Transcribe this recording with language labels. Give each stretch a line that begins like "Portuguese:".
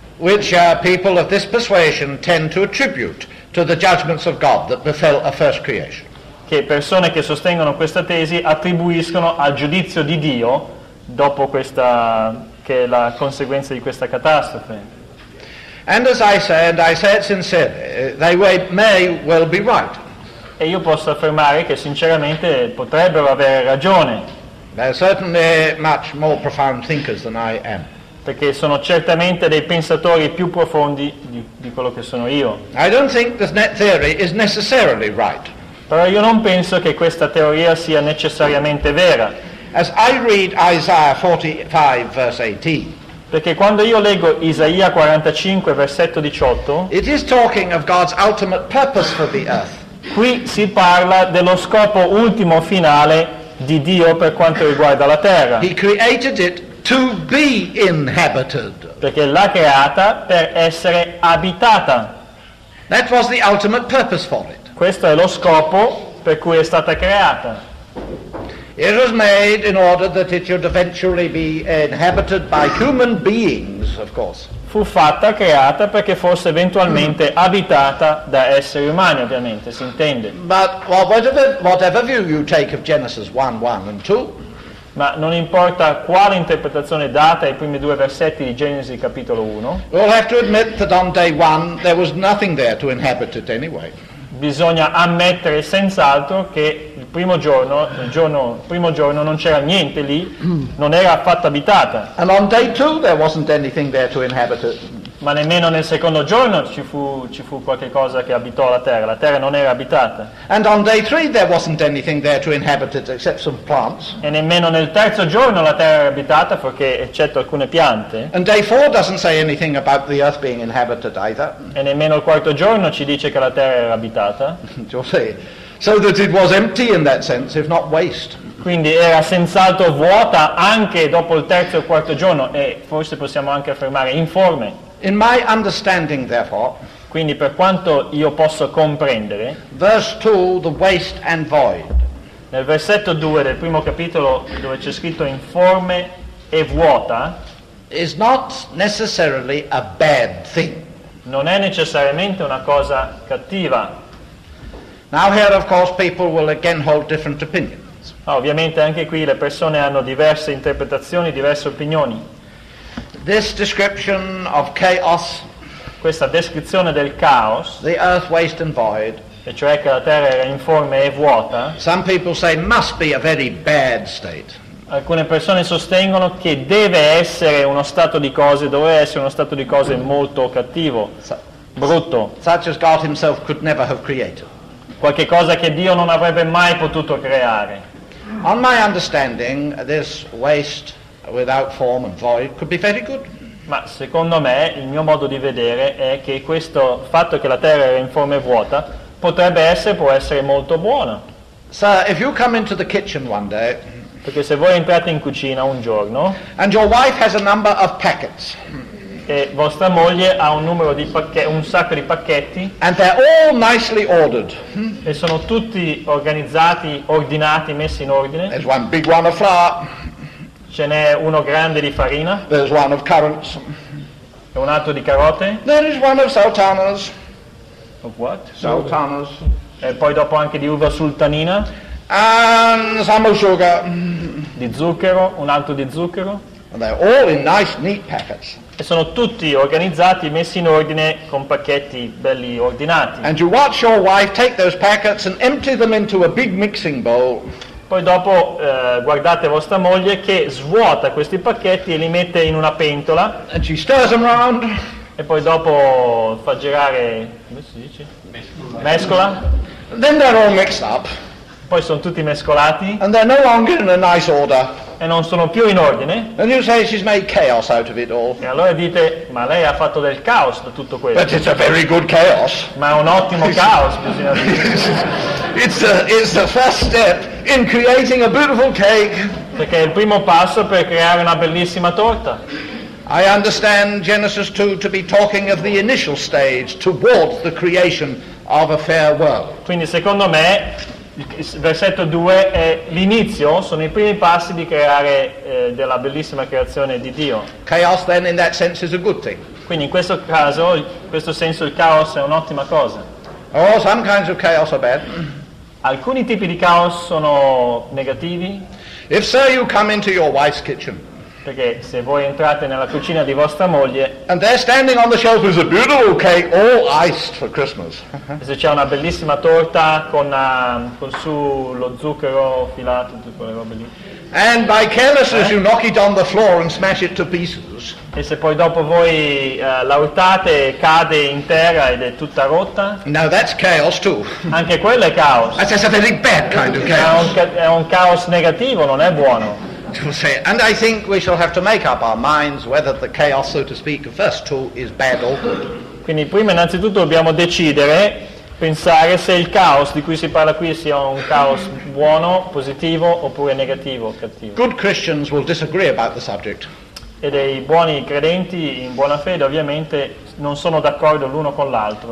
English: Which people of this persuasion tend to attribute to the judgments of God that befell a first creation.
Italian: Che persone che sostengono questa tesi attribuiscono al giudizio di Dio dopo questa, che è la conseguenza di questa catastrofe.
English: And as I say, and I say it sincerely, they may well be right.
Italian: E io posso affermare che sinceramente potrebbero avere ragione.
English: They are certainly much more profound thinkers than I am.
Italian: Perché sono certamente dei pensatori più profondi di quello che sono io.
English: I don't think this net theory is necessarily right.
Italian: Però io non penso che questa teoria sia necessariamente vera.
English: As I read Isaiah 45 verse 18.
Italian: Perché quando io leggo Isaia 45 versetto 18,
English: it is talking of God's ultimate purpose for the earth.
Italian: Qui si parla dello scopo ultimo finale di Dio per quanto riguarda la terra.
English: He created it to be inhabited.
Italian: Perché l'ha creata per essere abitata.
English: That was the ultimate purpose for it.
Italian: Questo è lo scopo per cui è stata creata.
English: It was made in order that it should eventually be inhabited by human beings, of course.
Italian: Fu fatta, creata perché fosse eventualmente abitata da esseri umani, ovviamente, si intende.
English: But whatever view you take of Genesis 1, 1 and 2,
Italian: ma non importa quale interpretazione data ai primi due versetti di Genesi capitolo 1,
English: we'll have to admit that on day 1 there was nothing there to inhabit it anyway.
Italian: Bisogna ammettere senz'altro che il primo giorno non c'era niente lì, non era affatto abitata.
English: And on day two, there wasn't anything there to inhabit it.
Italian: Ma nemmeno nel secondo giorno ci fu qualche cosa che abitò la terra non era abitata.
English: And on day three, there wasn't anything there to inhabit it except some plants.
Italian: E nemmeno nel terzo giorno la terra era abitata, perché eccetto alcune piante.
English: And day four doesn't say anything about the earth being inhabited either.
Italian: E nemmeno il quarto giorno ci dice che la terra era abitata.
English: So that it was empty in that sense, if not waste.
Italian: Quindi era senz'altro vuota anche dopo il terzo e il quarto giorno, e forse possiamo anche affermare informe.
English: In my understanding, therefore,
Italian: Quindi per quanto io posso comprendere,
English: verse 2, the waste and void.
Italian: Nel versetto 2 del primo capitolo, dove c'è scritto informe e vuota,
English: is not necessarily a bad thing.
Italian: Non è necessariamente una cosa cattiva.
English: Now here, of course, people will again hold different opinions.
Italian: Ovviamente anche qui le persone hanno diverse interpretazioni, diverse opinioni.
English: This description of chaos,
Italian: questa descrizione del caos,
English: the earth waste and void,
Italian: e cioè che la terra era informe e vuota,
English: some people say must be a very bad state.
Italian: Alcune persone sostengono che deve essere uno stato di cose, dove essere uno stato di cose molto cattivo, brutto.
English: Such as God himself could never have created.
Italian: Qualche cosa che Dio non avrebbe mai potuto creare.
English: On my understanding, this waste without form and void could be very good.
Italian: Ma secondo me, il mio modo di vedere è che questo fatto che la terra era informe e vuota potrebbe essere, può essere molto buono.
English: So, if you come into the kitchen one day,
Italian: perché se voi entrate in cucina un giorno,
English: and your wife has a number of packets,
Italian: e vostra moglie ha un numero di pacchetti, un sacco di pacchetti,
English: and they're all nicely ordered,
Italian: e sono tutti organizzati, ordinati, messi in ordine,
English: there's one big one of flour,
Italian: ce n'è uno grande di farina,
English: there's one of currants,
Italian: e un altro di carote,
English: there is one of sultanas, of what? Sultanas,
Italian: e poi dopo anche di uva sultanina,
English: and some of sugar,
Italian: di zucchero, un altro di zucchero,
English: and they're all in nice neat packets,
Italian: e sono tutti organizzati, messi in ordine con pacchetti belli ordinati,
English: and you watch your wife take those packets and empty them into a big mixing bowl.
Italian: Poi dopo guardate vostra moglie che svuota questi pacchetti e li mette in una pentola,
English: and she stirs them around,
Italian: e poi dopo fa girare, come si dice? Mescola.
English: Then they're all mixed up.
Italian: Poi sono tutti mescolati.
English: And they're no longer in a nice order.
Italian: E non sono più in ordine.
English: And you say she's made chaos out of it all.
Italian: E allora dite, ma lei ha fatto del caos da tutto questo.
English: But it's a very good chaos.
Italian: Ma è un ottimo caos, bisogna dire.
English: It's the first step in creating a beautiful cake.
Italian: Perché è il primo passo per creare una bellissima torta.
English: I understand Genesis 2 to be talking of the initial stage towards the creation of a fair world.
Italian: Quindi secondo me il versetto 2 è l'inizio, sono i primi passi di creare della bellissima creazione di Dio.
English: Chaos then in that sense is a good thing.
Italian: Quindi in questo caso, in questo senso il caos è un'ottima cosa.
English: Oh, some kinds of chaos are bad.
Italian: Alcuni tipi di caos sono negativi.
English: If so, you come into your wife's kitchen.
Italian: Perché se voi entrate nella cucina di vostra moglie,
English: and there standing on the shelf is a beautiful cake all iced for Christmas.
Italian: E se c'è una bellissima torta con su lo zucchero filato, tutte quelle robe lì.
English: And by carelessness you knock it on the floor and smash it to pieces.
Italian: E se poi dopo voi la urtate, cade in terra ed è tutta rotta.
English: Now that's chaos too.
Italian: Anche quello è caos.
English: That's a very bad kind of chaos.
Italian: È un caos negativo, non è buono.
English: And I think we shall have to make up our minds whether the chaos, so to speak, first two is bad or good.
Italian: Quindi prima innanzitutto dobbiamo decidere, pensare se il caos di cui si parla qui sia un caos buono, positivo oppure negativo, cattivo.
English: Good Christians will disagree about the subject.
Italian: E dei buoni credenti in buona fede ovviamente non sono d'accordo l'uno con l'altro.